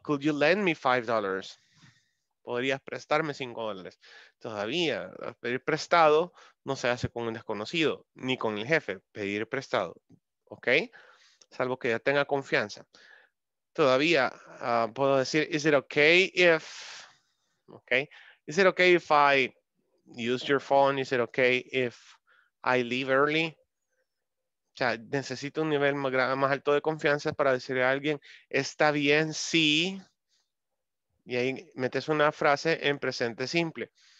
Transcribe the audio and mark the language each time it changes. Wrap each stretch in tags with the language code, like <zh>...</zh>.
<en>Could you lend me $5?</en> <es>¿Podrías prestarme $5? Todavía, pedir prestado no se hace con un desconocido, ni con el jefe, pedir prestado, okay? Salvo que ya tenga confianza. Todavía puedo decir,</es> <en>is it okay if,</en> <es>okay?</es> <en>Is it okay if I use your phone? Is it okay if I leave early?</en> <es>O sea, necesito un nivel más alto de confianza para decirle a alguien, está bien, sí. Y ahí metes una frase en presente simple.</es>